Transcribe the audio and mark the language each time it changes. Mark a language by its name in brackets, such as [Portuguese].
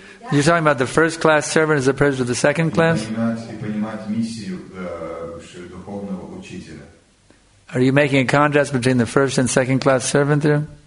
[English] You're talking about the first class servant as opposed to the second class? [Russian] И понимать миссию духовного учителя. [English] Are you making a contrast between the first and second class servant there?